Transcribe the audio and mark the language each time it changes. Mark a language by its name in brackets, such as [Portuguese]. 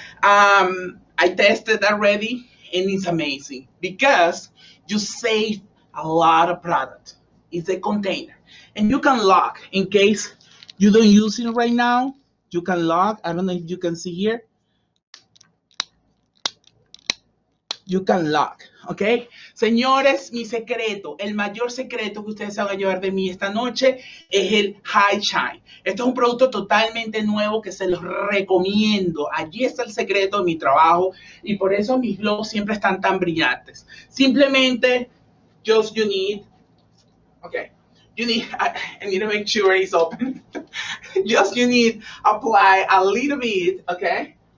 [English] I tested already and it's amazing because you save a lot of product. It's a container. And you can lock in case you don't use it right now. You can lock. I don't know if you can see here. You can lock. [Spanish] Ok, señores, mi secreto, el mayor secreto que ustedes se van a llevar de mí esta noche es el High Shine. Esto es un producto totalmente nuevo que se los recomiendo. Allí está el secreto de mi trabajo y por eso mis globos siempre están tan brillantes. Simplemente, [English] just you need, ok, you need, I need to make sure it's open. Just you need apply a little bit, ok.